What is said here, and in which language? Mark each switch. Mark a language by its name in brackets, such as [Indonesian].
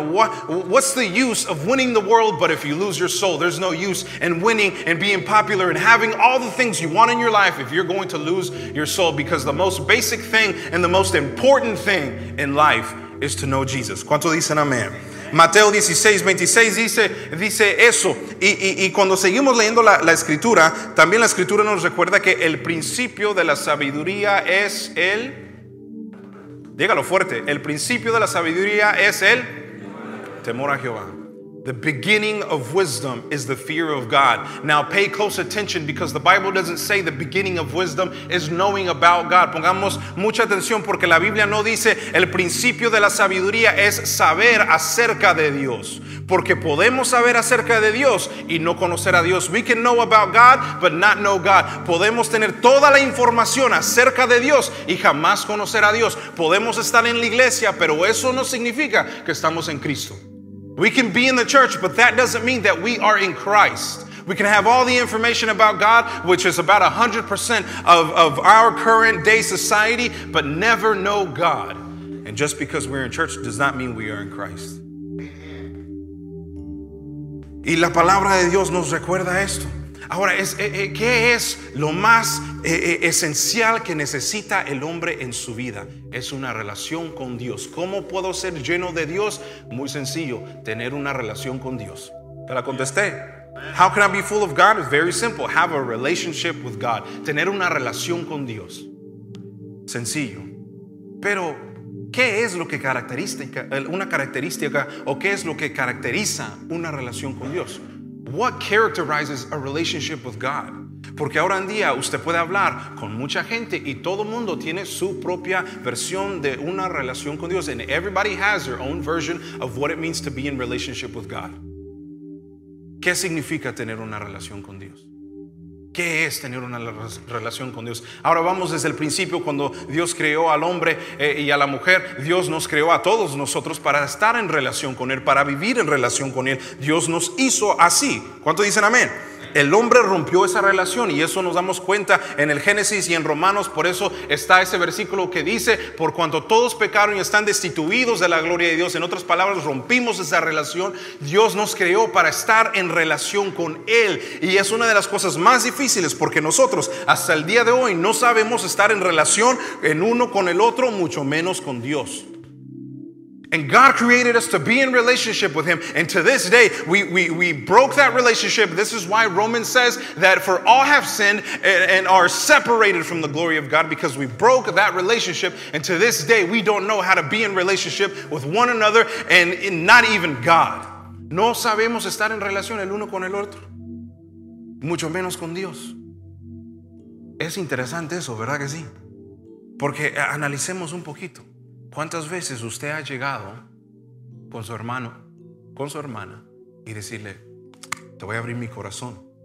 [English] What's the use of winning the world, but if you lose your soul? There's no use in winning and being popular and having all the things you want in your life if you're going to lose your soul, because the most basic thing and the most important thing in life is to know Jesus. [Spanish] ¿Cuánto dicen amén? Mateo 16:26 dice eso. Y cuando seguimos leyendo la escritura, también la escritura nos recuerda que el principio de la sabiduría es el, dígalo fuerte, el principio de la sabiduría es el temor a Jehová. [English] The beginning of wisdom is the fear of God. Now pay close attention, because the Bible doesn't say the beginning of wisdom is knowing about God. [Spanish] Pongamos mucha atención, porque la Biblia no dice el principio de la sabiduría es saber acerca de Dios. Porque podemos saber acerca de Dios y no conocer a Dios. [English] We can know about God, but not know God. [Spanish] Podemos tener toda la información acerca de Dios y jamás conocer a Dios. Podemos estar en la iglesia, pero eso no significa que estamos en Cristo. [English] We can be in the church, but that doesn't mean that we are in Christ. We can have all the information about God, which is about 100% of our current day society, but never know God. And just because we're in church does not mean we are in Christ. [Spanish] Y la palabra de Dios nos recuerda esto. Ahora, ¿qué es lo más esencial que necesita el hombre en su vida? Es una relación con Dios. ¿Cómo puedo ser lleno de Dios? Muy sencillo, tener una relación con Dios. Te la contesté. [English] How can I be full of God? It's very simple. Have a relationship with God. [Spanish] Tener una relación con Dios. Sencillo. Pero, ¿qué es lo que caracteriza una característica o qué es lo que caracteriza una relación con Dios? [English] What characterizes a relationship with God? [Spanish] Porque ahora en día usted puede hablar con mucha gente y todo mundo tiene su propia versión de una relación con Dios. [English] And everybody has their own version of what it means to be in relationship with God. [Spanish] ¿Qué significa tener una relación con Dios? ¿Qué es tener una relación con Dios? Ahora vamos desde el principio, cuando Dios creó al hombre y a la mujer, Dios nos creó a todos nosotros para estar en relación con Él, para vivir en relación con Él. Dios nos hizo así. ¿Cuánto dicen amén? El hombre rompió esa relación y eso nos damos cuenta en el Génesis y en Romanos. Por eso está ese versículo que dice, por cuanto todos pecaron y están destituidos de la gloria de Dios. En otras palabras, rompimos esa relación. Dios nos creó para estar en relación con Él. Y es una de las cosas más difíciles porque nosotros hasta el día de hoy no sabemos estar en relación en uno con el otro, mucho menos con Dios. [English] And God created us to be in relationship with Him. And to this day, we broke that relationship. This is why Romans says that for all have sinned and are separated from the glory of God, because we broke that relationship. And to this day, we don't know how to be in relationship with one another and not even God. [Spanish] No sabemos estar en relación el uno con el otro, mucho menos con Dios. Es interesante eso, ¿verdad que sí? Porque analicemos un poquito. ¿Cuántas veces usted ha llegado con su hermano, con su hermana, y decirle, te voy a abrir mi corazón?